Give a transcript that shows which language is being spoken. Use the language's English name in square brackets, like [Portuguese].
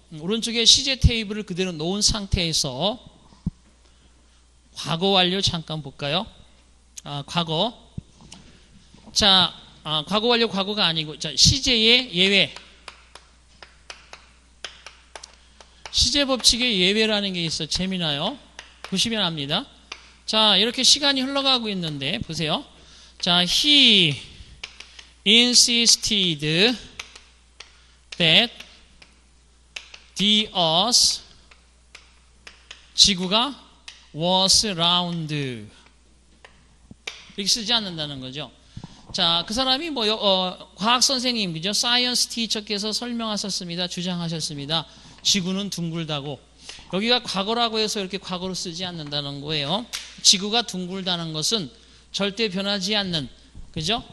[Korean] 오른쪽에 시제 테이블을 그대로 놓은 상태에서 과거 완료 잠깐 볼까요? 아, 과거. 자, 아, 과거 완료 과거가 아니고, 자, 시제의 예외. 시제 법칙의 예외라는 게 있어. 재미나요? 보시면 압니다. 자, 이렇게 시간이 흘러가고 있는데, 보세요. [English] 자, he insisted that the earth, [Korean] 지구가 [English] was round. [Korean] 이렇게 쓰지 않는다는 거죠. 자, 그 사람이 뭐, 과학 선생님, 그죠? 사이언스 티처께서 설명하셨습니다. 주장하셨습니다. 지구는 둥글다고. 여기가 과거라고 해서 이렇게 과거로 쓰지 않는다는 거예요. 지구가 둥글다는 것은 절대 변하지 않는, 그죠?